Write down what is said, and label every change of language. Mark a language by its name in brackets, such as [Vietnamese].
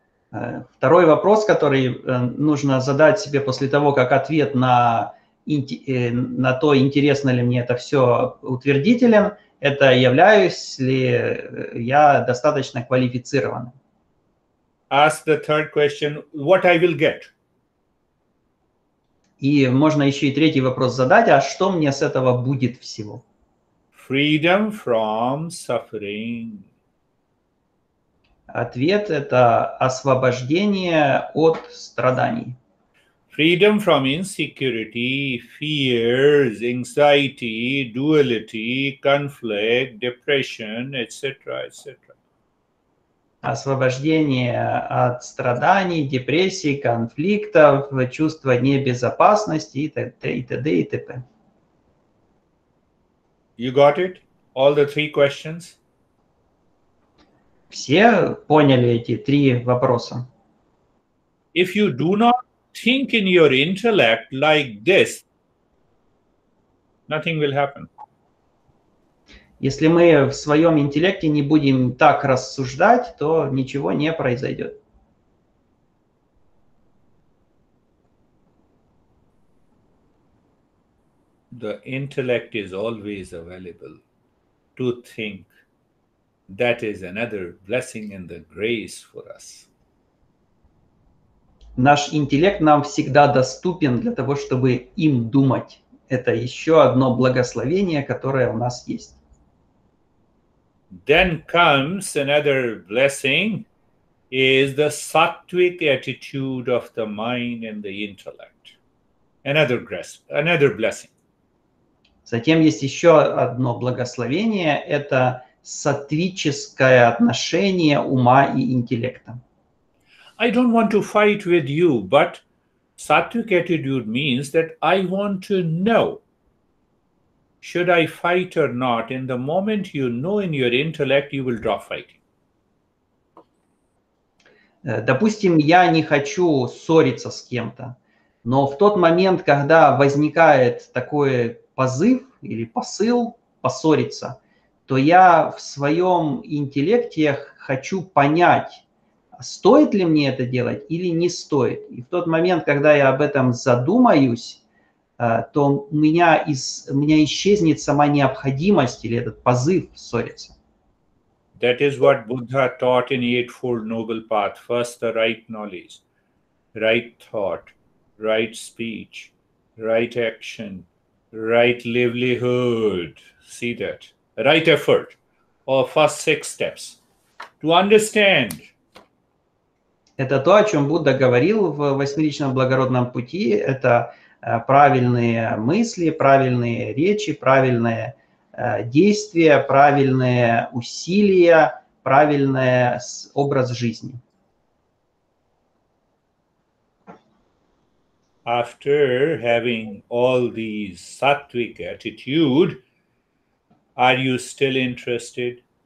[Russian] Второй вопрос, который нужно задать себе после того, как ответ на то, интересно ли мне это все, утвердителен, это являюсь ли я достаточно квалифицированным. [English] Ask the third question, what I will get? [Russian] И можно еще и третий вопрос задать, а что мне с этого будет всего? [English] Freedom from suffering. [Russian] Ответ – это освобождение от страданий. [English] Freedom from insecurity, fears, anxiety, duality, conflict, depression, etc., etc. [Russian] освобождение от страданий, депрессий, конфликтов, чувство небезопасности и т.д. и т.д. и т.п. [English] You got it? All the three questions? [Russian] Все поняли эти три вопроса? [English] If you do not think in your intellect like this, nothing will happen. [Russian] Если мы в своем интеллекте не будем так рассуждать, то ничего не произойдет. [English] The intellect is always available to think. That is another blessing and the grace for us. [Russian] Наш интеллект нам всегда доступен для того, чтобы им думать. Это еще одно благословение, которое у нас есть. [English] Then comes another blessing, is the sattvic attitude of the mind and the intellect. Another blessing. [Russian] Затем есть еще одно благословение, это сатвическое отношение ума и интеллекта. [English] I don't want to fight with you, but sattvic attitude means that I want to know. Should I fight or not? In the moment you know in your intellect, you will drop fighting. [Russian] Допустим, я не хочу ссориться с кем-то, но в тот момент, когда возникает такой позыв или посыл поссориться, то я в своем интеллекте хочу понять, стоит ли мне это делать или не стоит. И в тот момент, когда я об этом задумаюсь, то у меня исчезнет сама необходимость или этот позыв ссориться. [English] That is what Buddha taught in Eightfold Noble Path. First the right knowledge, right thought, right speech, right action, right livelihood. See that? Right effort, or first six steps to understand. [Russian] Это то, о чем Будда говорил в восьмеричном благородном пути. Это правильные мысли, правильные речи, правильные действия, правильные усилия, правильный образ жизни. [English] After having all these sattvic attitude, are you still interested?